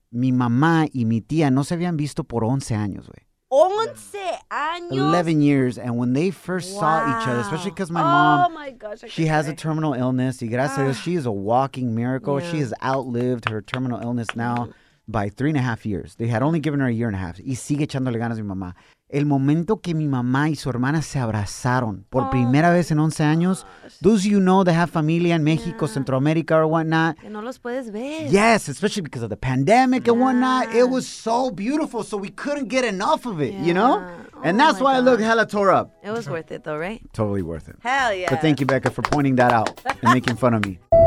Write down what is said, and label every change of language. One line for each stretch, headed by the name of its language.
Spanish: Mi mamá y mi tía no se habían visto por 11 años, güey. 11 años.
English: 11 years. And when they first saw each other, especially because my mom, my gosh, she has a terminal illness.
Spanish: Y gracias a Dios,
English: she is a walking miracle. Yeah. She has outlived her terminal illness now. by 3.5 years. They had only given her a year and a half.
Spanish: Y sigue echándole ganas a mi mamá. El momento que mi mamá y su hermana se abrazaron por primera vez en 11 años.
English: Those you know that have
Spanish: familia en México,
English: yeah. Centroamérica or whatnot.
Spanish: Que no los puedes ver.
English: Yes, especially because of the pandemic and whatnot. It was so beautiful, so we couldn't get enough of it, you know? And that's why I look hella tore up. It was worth it though, right? Totally worth it. Hell yeah. But thank you, Becca, for pointing that out and making fun of me.